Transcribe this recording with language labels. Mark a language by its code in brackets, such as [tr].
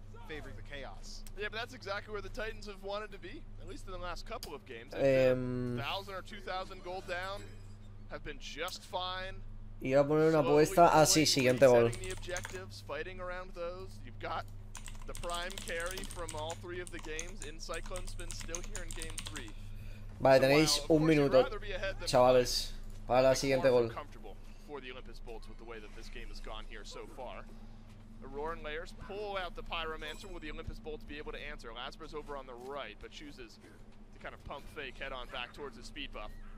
[en] Yeah, but that's exactly where the Titans have wanted to be, at least in the last couple of games. 1,000 or 2,000 gold down have been just fine. [es] Iba a poner una apuesta así, siguiente gol. [en] The objectives, fighting around those. You've got the prime carry from all three of the games in Cyclone Spin still here in game 3. [es] Vale, tenéis un minuto, chavales, para la siguiente gol. [en] For the Olympus Bolts with the way that this game has gone here so far. Aurora and Layers pull out the Pyromancer. Will the Olympus Bolts be able to answer? Lazarus over on the right, but chooses to kind of pump fake head on back towards the speed buff.